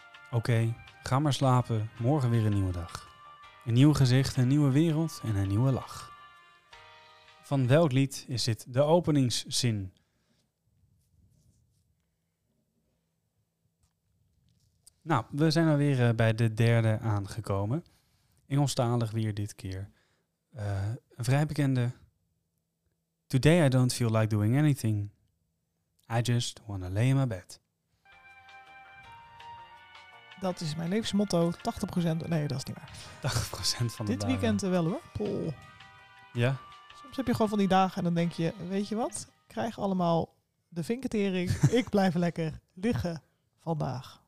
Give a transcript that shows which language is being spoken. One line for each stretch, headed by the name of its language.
Dutch: Okay, ga maar slapen. Morgen weer een nieuwe dag. Een nieuw gezicht, een nieuwe wereld en een nieuwe lach. Van welk lied is dit de openingszin? Nou, we zijn alweer bij de derde aangekomen. Engelstalig weer dit keer. Een vrij bekende.
English: Today I don't feel like doing anything. I just wanna lay in my bed.
Dutch: Dat is mijn levensmotto. 80%. Nee, dat is niet waar. 80% van de dit weekend wel hoor. Pol. Ja. Soms heb je gewoon van die dagen en dan denk je, weet je wat? Ik krijg allemaal de vinketering. Ik blijf lekker liggen vandaag.